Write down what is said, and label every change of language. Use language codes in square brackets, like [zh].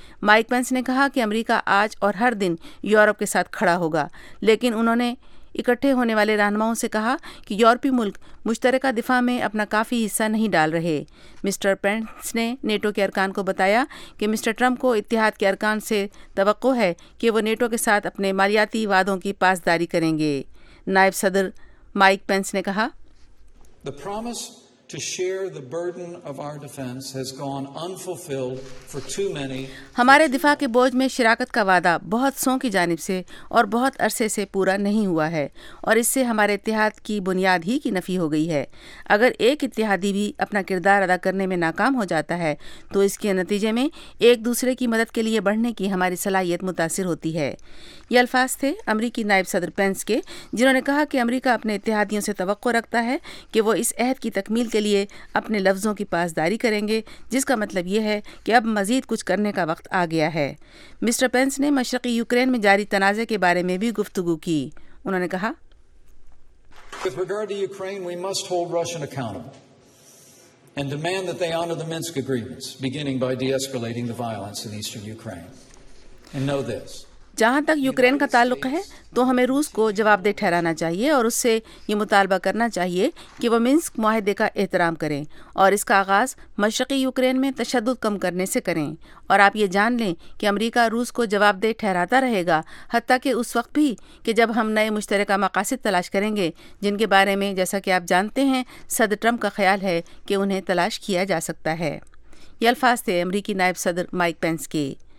[ur] Mike پینس نے کہا کہ امریکہ آج اور ہر دن یورپ کے ساتھ کھڑا ہوگا، لیکن انہوں نے اکٹھے ہونے والے رہنماؤں سے کہا کہ یورپی ملک مشترکہ دفاع میں اپنا کافی حصہ نہیں ڈال رہے۔ مسٹر پینس نے نیٹو کے ارکان کو بتایا کہ مسٹر ٹرمپ کو اتحاد کے ارکان سے توقع ہے کہ وہ نیٹو کے ساتھ اپنے مالیاتی وعدوں کی پاسداری کریں گے۔ نائب صدر مائیک پینس نے کہا [en] The promise to share the burden of our defense has gone unfulfilled for too many. [ur] ہمارے دفاع کے بوجھ میں شراکت کا وعدہ بہت سوں کی جانب سے اور بہت عرصے سے پورا نہیں ہوا ہے، اور اس سے ہمارے اتحاد کی بنیاد ہی کی نفی ہو گئی ہے۔ اگر ایک اتحادی بھی اپنا کردار ادا کرنے میں ناکام ہو جاتا ہے تو اس کے نتیجے میں ایک دوسرے کی مدد کے لیے بڑھنے کی ہماری صلاحیت متاثر ہوتی ہے۔ یہ الفاظ تھے امریکی نائب صدر پینس کے، جنہوں نے کہا کہ امریکہ اپنے اتحادیوں سے توقع رکھتا ہے کہ وہ اس عہد کی تکمیل کے لیے اپنے لفظوں کی پاسداری کریں گے، جس کا مطلب یہ ہے کہ اب مزید کچھ کرنے کا وقت آ گیا ہے۔ مسٹر پینس نے مشرقی یوکرین میں جاری تنازع کے بارے میں بھی گفتگو کی، انہوں نے کہا [en] With regard to Ukraine, we must hold Russian accountable and demand that they honor the Minsk agreements, beginning by de-escalating the violence in eastern Ukraine. And know this. [ur] جہاں تک یوکرین کا تعلق ہے تو ہمیں روس کو جواب دہ ٹھہرانا چاہیے اور اس سے یہ مطالبہ کرنا چاہیے کہ وہ منسک معاہدے کا احترام کریں اور اس کا آغاز مشرقی یوکرین میں تشدد کم کرنے سے کریں، اور آپ یہ جان لیں کہ امریکہ روس کو جواب دہ ٹھہراتا رہے گا، حتیٰ کہ اس وقت بھی کہ جب ہم نئے مشترکہ مقاصد تلاش کریں گے، جن کے بارے میں جیسا کہ آپ جانتے ہیں صدر ٹرمپ کا خیال ہے کہ انہیں تلاش کیا جا سکتا ہے۔ یہ الفاظ تھے امریکی نائب صدر مائیک پینس کے۔